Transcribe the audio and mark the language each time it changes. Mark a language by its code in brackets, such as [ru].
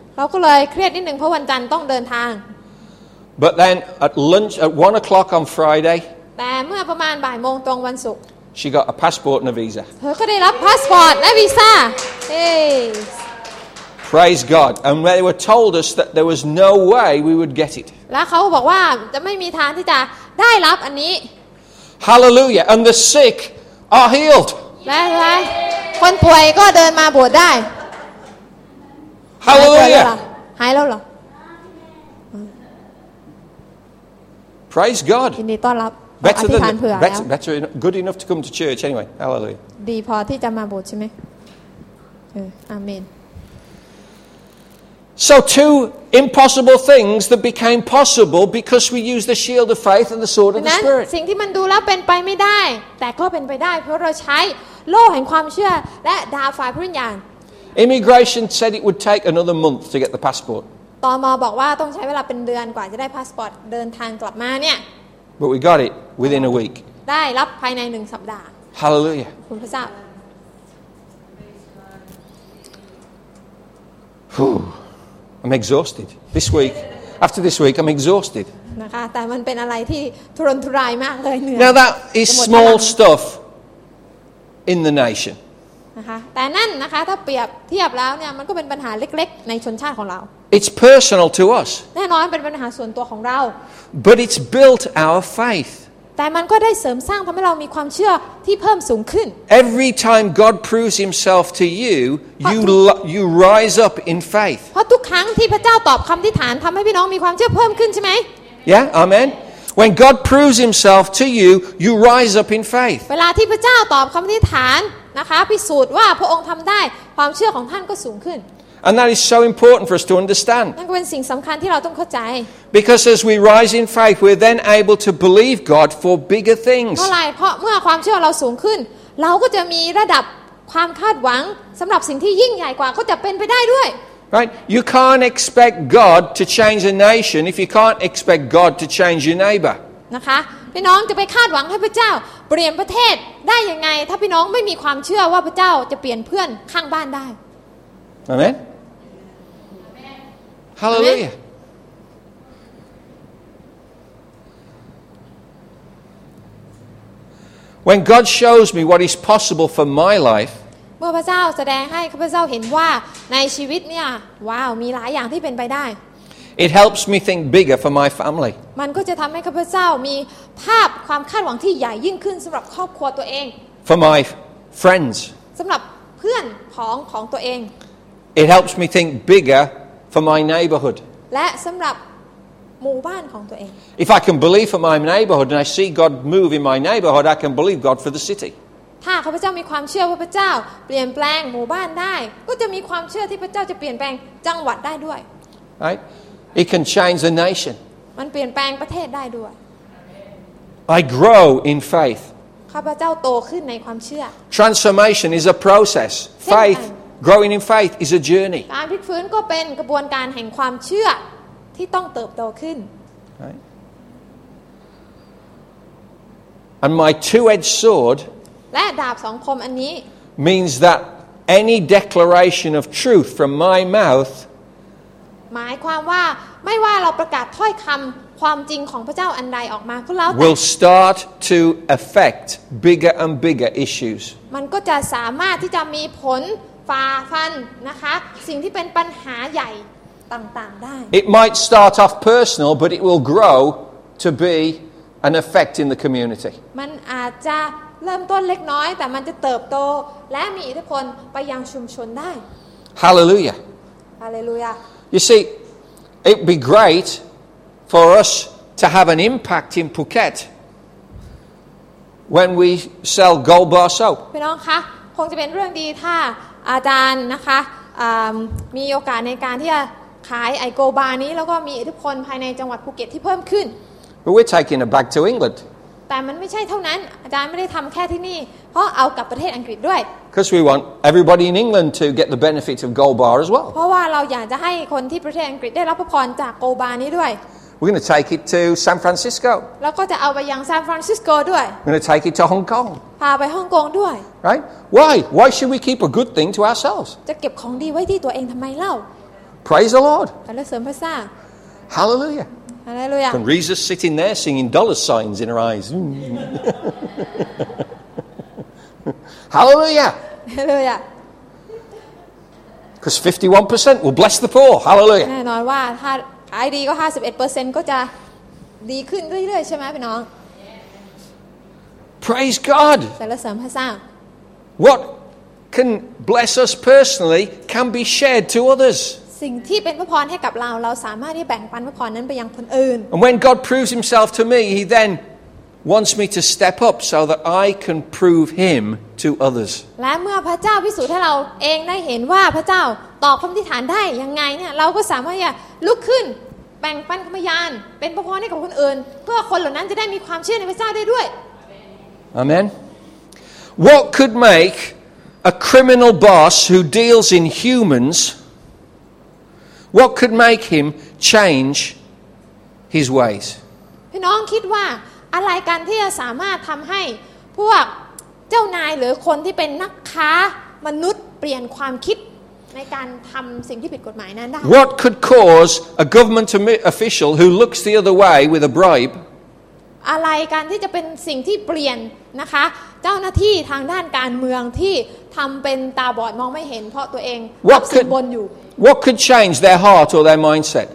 [th] เราก็เลยเครียดนิดนึงเพราะวันจันทร์ต้องเดินทาง [en] But then at lunch at 1 o'clock on Friday. [th] แต่เมื่อประมาณบ่ายโมงตรงวันศุกร์ [en] She got a passport and a visa. [th] เธอก็ได้รับพาสปอร์ตและวีซ่าเฮ้ [en] Praise God, and they were told us that there was no way we would get it. [th] แล้วเขาบอกว่าจะไม่มีทางที่จะได้รับอันนี้ [en] Hallelujah, and the sick are healed. [th] และคนป่วยก็เดินมาบวชได้ [en] Hallelujah. [th] หายแล้วเหร [en] อ Praise God. [th] ยินดีต้อนรับ [en] Better than better good enough to come to church anyway. Hallelujah. [th] ดีพอที่จะมาบวชใช่ไหมอาเมน [en] So two impossible things that became possible because we used the shield of faith and the sword of the spirit. [th] สิ่งที่มันดูแล้วเป็นไปไม่ได้แต่ก็เป็นไปได้เพราะเราใช้โล่แห่งความเชื่อและดาบฝ่ายพระวิญญาณ [en] Immigration said it would take another month to get the passport. [th] ตม. บอกว่าต้องใช้เวลาเป็นเดือนกว่าจะได้พาสปอร์ตเดินทางกลับมาเนี่ย [en] But we got it within a week. [th] ได้รับภายใน1สัปดาห์ [en] Hallelujah. [th] คุณพระเจ้า [en] I'm exhausted. This week, after this week, I'm exhausted. [th] นะคะ แต่มันเป็นอะไรที่ทรนทุรายมากเลยเนี่ย [en] Now that is small stuff in the nation. [th] นะคะ แต่นั่นนะคะ ถ้าเปรียบเทียบแล้วเนี่ย มันก็เป็นปัญหาเล็กๆในชนชาติของเรา [en] It's personal to us. [th] แน่นอน เป็นปัญหาส่วนตัวของเรา [en] But it's built our faith. [th] แต่มันก็ได้เสริมสร้างทำให้เรามีความเชื่อที่เพิ่มสูงขึ้น [en] Every time God proves himself to you, you rise up in faith. [th] เพราะทุกครั้งที่พระเจ้าตอบคำอธิษฐานทำให้พี่น้องมีความเชื่อเพิ่มขึ้นใช่ไหม [en] Yeah, amen. When God proves himself to you, you rise up in faith. [th] เวลาที่พระเจ้าตอบคำอธิษฐานนะคะพิสูจน์ว่าพระองค์ทำได้ความเชื่อของท่านก็สูงขึ้น [en] And that is so important for us to understand. [th] นั่นก็เป็นสิ่งสำคัญที่เราต้องเข้าใจ [en] Because as we rise in faith, we're then able to believe God for bigger things. [th] เพราะอะไรเพราะเมื่อความเชื่อเราสูงขึ้นเราก็จะมีระดับความคาดหวังสำหรับสิ่งที่ยิ่งใหญ่กว่าก็จะเป็นไปได้ด้วย [en] Right? You can't expect God to change a nation if you can't expect God to change your neighbor. [th] นะคะพี่น้องจะไปคาดหวังให้พระเจ้าเปลี่ยนประเทศได้ยังไงถ้าพี่น้องไม่มีความเชื่อว่าพระเจ้าจะเปลี่ยนเพื่อนข้างบ้านได้ [en] Amen. Hallelujah. Amen. When God shows me what is possible for my life, [th] เมื่อพระเจ้าแสดงให้ข้าพเจ้าเห็นว่าในชีวิตเนี่ยว้าวมีหลายอย่างที่เป็นไปได้ [en] It helps me think bigger for my family. [th] มันก็จะทำให้ข้าพเจ้ามีภาพความคาดหวังที่ใหญ่ยิ่งขึ้นสำหรับครอบครัวตัวเอง [en] For my friends. [th] สำหรับเพื่อนของตัวเอง [en] It helps me think biggerFor my neighborhood. [th] และสำหรับหมู่บ้านของตัวเอง [en] If I can believe for my neighborhood and I see God move in my neighborhood, I can believe God for the city. [th] ถ้าข้าพเจ้ามีความเชื่อว่าพระเจ้าเปลี่ยนแปลงหมู่บ้านได้ก็จะมีความเชื่อที่พระเจ้าจะเปลี่ยนแปลงจังหวัดได้ด้วย [en] Right? It can change the nation. [th] มันเปลี่ยนแปลงประเทศได้ด้วย [en] I grow in faith. [th] ข้าพเจ้าโตขึ้นในความเชื่อ [en] Transformation is a process. Faith, growing in faith is a journey. [th] การพลิกฟื้นก็เป็นกระบวนการแห่งความเชื่อที่ต้องเติบโตขึ้น [en] And my two-edged sword [th] และดาบสองคมอันนี้ [en] means that any declaration of truth from my mouth [th] หมายความว่าไม่ว่าเราประกาศถ้อยคำความจริงของพระเจ้าอันใดออกมาก็แล้วแต่ [en] will start to affect bigger and bigger issues [th] มันก็จะสามารถที่จะมีผลฝ่าฟันนะคะสิ่งที่เป็นปัญหาใหญ่ต่างๆได้ [en] It might start off personal but it will grow to be an effect in the community [th] มันอาจจะเริ่มต้นเล็กน้อยแต่มันจะเติบโตและมีอิทธิพลไปยังชุมชนได้ [en] Hallelujah Hallelujah You see it'd be greatFor us to have an impact in Phuket when we sell gold bar soap. [th] พี่น้องคะคงจะเป็นเรื่องดีถ้าอาจารย์นะคะมีโอกาสในการที่จะขายไอโกบาร์นี้แล้วก็มีอิทธิพลภายในจังหวัดภูเก็ตที่เพิ่มขึ้น [en] But we're taking it back to England. [th] แต่มันไม่ใช่เท่านั้นอาจารย์ไม่ได้ทำแค่ที่นี่เพราะเอากลับประเทศอังกฤษด้วย [en] Because we want everybody in England to get the benefit of gold bar as well. [th] เพราะว่าเราอยากจะให้คนที่ประเทศอังกฤษได้รับพรจากโกบาร์นี้ด้วย [en] We're going to take it to San Francisco. [th] แล้วก็จะเอาไปยังซานฟรานซิสโกด้วย [en] We're going to take it to Hong Kong. [th] พาไปฮ่องกงด้วย [en] Right? Why? Why should we keep a good thing to ourselves? [th] จะเก็บของดีไว้ที่ตัวเองทำไมเล่า [en] Praise the Lord. [th] ขอรับเสริมพระเจ้า [en] Hallelujah. Hallelujah. Can Reza sitting there singing dollar signs in her eyes? Hallelujah. Hallelujah. Because 51% will bless the poor. Hallelujah. [th] แน่นอนว่าถ้าขายดีก็ 51% ก็จะดีขึ้นเรื่อยๆใช่ไหมพี่น้อง [en] Praise God. [th] สรรเสริญพระเจ้า [en] What can bless us personally can be shared to others. [th] สิ่งที่เป็นพระพรให้กับเราเราสามารถที่แบ่งปันพระพรนั้นไปยังคนอื่น [en] And when God proves himself to me, he then wants me to step up so that I can prove him to others. [th] และเมื่อพระเจ้าพิสูจน์ให้เราเองได้เห็นว่าพระเจ้าตอบคำที่ฐานได้ยังไงเนี่ยเราก็สามารถจะลุกขึ้นแบ่งปันคำพยานเป็นพระพรให้กับคนอื่นเพื่อคนเหล่านั้นจะได้มีความเชื่อในพระเจ้าได้ด้วย [en] Amen. What could make a criminal boss who deals in humans? What could make him change his ways? [th] พี่น้องคิดว่าอะไรกันที่จะสามารถทำให้พวกเจ้านายหรือคนที่เป็นนักค้ามนุษย์เปลี่ยนความคิดในการทำสิ่งที่ผิดกฎหมายนั้นได้ [en] What could cause a government official who looks the other way with a bribe [th] อะไรกันที่จะเป็นสิ่งที่เปลี่ยนนะคะเจ้าหน้าที่ทางด้านการเมืองที่ทำเป็นตาบอดมองไม่เห็นเพราะตัวเองรับสินบนอยู่ [en] What could change their heart or their mindset